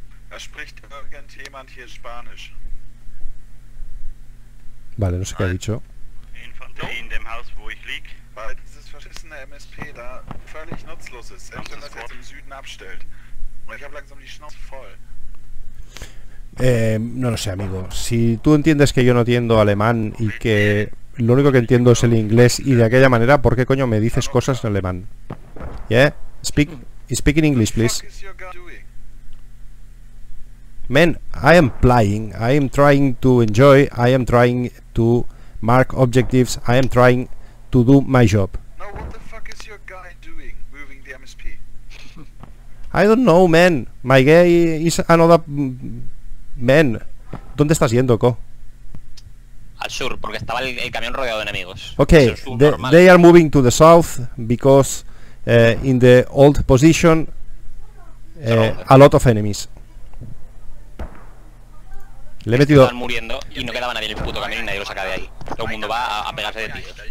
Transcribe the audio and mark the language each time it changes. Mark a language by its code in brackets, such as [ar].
[de] Da spricht irgendjemand hier Spanisch. [es] Vale, no sé qué ha dicho. [de] Infanterie in dem Haus, wo ich lieg. Weil dieses verschissene MSP da völlig nutzlos ist, selbst wenn das jetzt im Süden abstellt. Und ich habe langsam die Schnauze voll. [es] No lo sé, amigo. Si tú entiendes que yo no entiendo alemán y que lo único que entiendo es el inglés y de aquella manera, ¿por qué coño me dices cosas en alemán? [en] Yeah, speak in English, please. Man, I am flying. I am trying to enjoy. I am trying to mark objectives. I am trying to do my job. Now, what the fuck is your guy doing, moving the MSP? I don't know, man. My guy is another. Men, [es] ¿dónde estás yendo, co? Al sur, porque estaba el camión rodeado de enemigos. [en] Okay, they are moving to the south because in the old position a lot of enemies. [es] Le he metido. Están muriendo y no quedaba nadie en el puto camión y nadie lo saca de ahí. Todo el mundo va a pegarse de tiros.